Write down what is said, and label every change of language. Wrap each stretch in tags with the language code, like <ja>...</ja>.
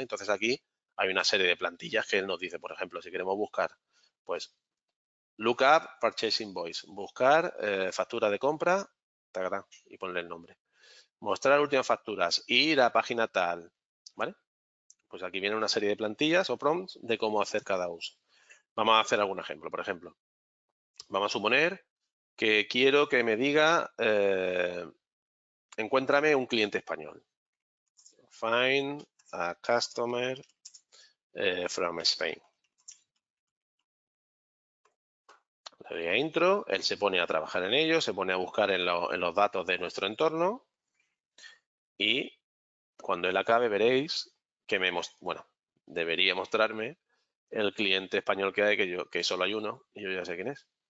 <es>Entonces aquí hay una serie de plantillas que él nos dice, por ejemplo, si queremos buscar, pues lookup purchase invoice, buscar factura de compra, tagará y ponerle el nombre, mostrar últimas facturas, ir a página tal, ¿vale? Pues aquí viene una serie de plantillas o prompts de cómo hacer cada uso. Vamos a hacer algún ejemplo, por ejemplo, vamos a suponer que quiero que me diga, encuéntrame un cliente español.</es> <en>Find a customer from Spain.</en> <es>Le doy a intro, él se pone a trabajar en ello, se pone a buscar en los datos de nuestro entorno y cuando él acabe veréis que bueno, debería mostrarme el cliente español que hay, que solo hay uno y yo ya sé quién es.</es>